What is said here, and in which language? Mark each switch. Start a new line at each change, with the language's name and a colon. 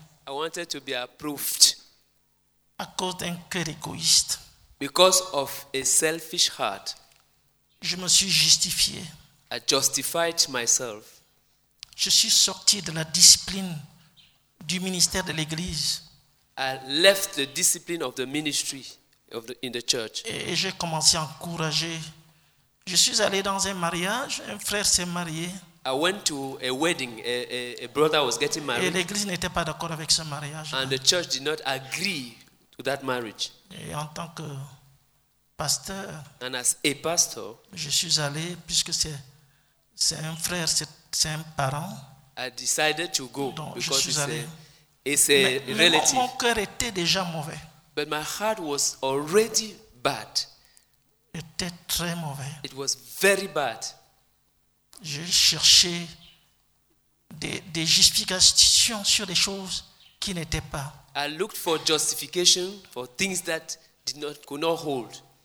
English: I wanted to be approved.
French: À cause d'un cœur égoïste.
English: Because of a selfish heart.
French: Je me suis justifié.
English: I justified myself.
French: Je suis sorti de la discipline du ministère de l'église.
English: I left the discipline of the ministry of the, in the church.
French: Et j'ai commencé à encourager. Je suis allé dans un mariage, un frère s'est marié.
English: I went to a wedding, a brother was getting married.
French: Et l'église n'était pas d'accord avec ce mariage.
English: And the church did not agree to that marriage.
French: Et en tant que pasteur,
English: and as a pastor,
French: je suis allé puisque c'est un frère, c'est un parent.
English: I decided to go.
French: Donc, because je suis allé. Et c'est relative. Mon cœur était déjà mauvais.
English: But my heart was already bad.
French: Était très mauvais.
English: It was very bad.
French: Je cherchais des justifications sur des choses qui n'étaient pas.
English: I looked for justification for things that did not could not hold.